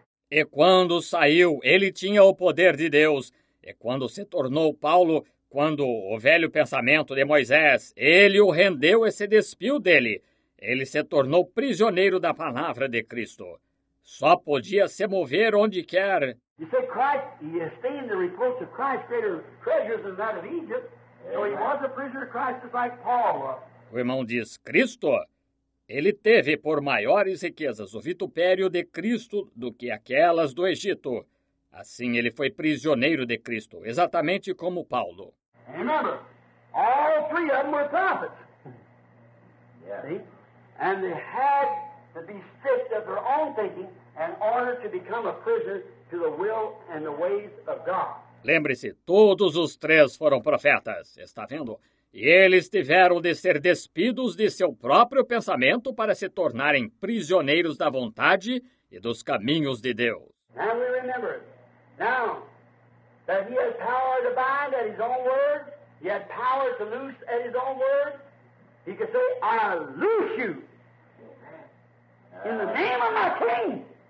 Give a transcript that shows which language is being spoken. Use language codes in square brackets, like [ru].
[pt] E quando saiu, ele tinha o poder de Deus. E quando se tornou Paulo, quando o velho pensamento de Moisés, ele o rendeu e se despiu dele. Ele se tornou prisioneiro da palavra de Cristo. Só podia se mover onde quer. [en] You say Christ, he esteemed the reproach of Christ greater treasures than that of Egypt. So he was a prisoner of Christ, just like Paul was. [pt] O irmão diz, Cristo? Ele teve por maiores riquezas o vitupério de Cristo do que aquelas do Egito. Assim, ele foi prisioneiro de Cristo, exatamente como Paulo. [en] Remember, all 3 of them were prophets. Yeah. And they had to be stripped of their own thinking in order to become a prisoner to the will and the ways of God. [pt] Lembre-se, todos os 3 foram profetas, está vendo? e eles tiveram de ser despidos de seu próprio pensamento para se tornarem prisioneiros da vontade e dos caminhos de Deus. [en] Now we remember now that he has power to bind at his own word, he has power to loose at his own word. He can say, I loose you in the name of my king.